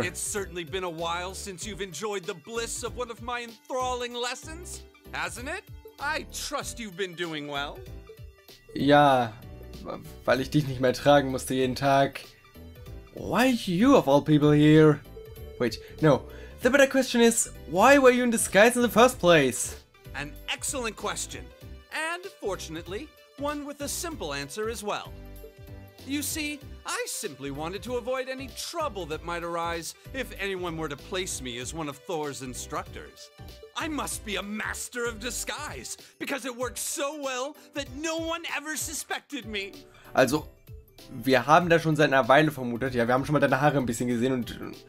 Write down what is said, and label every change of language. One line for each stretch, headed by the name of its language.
English: It's certainly been a while since you've enjoyed the bliss of one of my enthralling lessons, hasn't it? I trust you've been doing well.
German: Ja, weil ich dich nicht mehr tragen musste jeden Tag.
English: Why you of all people here? Wait, no. The better question is, why were you in disguise in the first place? An excellent question. And fortunately, one with a simple answer as well. You see, I simply wanted to avoid any trouble that might arise if anyone were to place me as one of Thor's instructors. I must be a master of disguise, because it worked so well that no one ever suspected me.
German: Also, wir haben da schon seit einer Weile vermutet. Ja, wir haben schon mal deine Haare ein bisschen gesehen und...